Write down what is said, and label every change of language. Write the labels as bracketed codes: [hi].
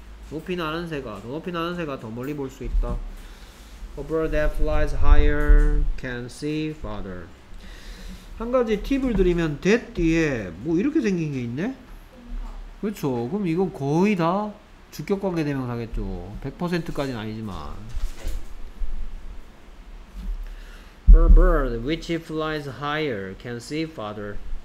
[ko] 높이 나는 새가 더 높이 나는 새가 더 멀리 볼 수 있다. [en] A bird that flies higher can see farther. [ko] 한 가지 팁을 드리면 that 뒤에 뭐 이렇게 생긴 게 있네? 그쵸. 그럼 이건 거의 다 주격 관계대명사겠죠. 100%까지는 아니지만. [en] A bird which flies higher can see farther.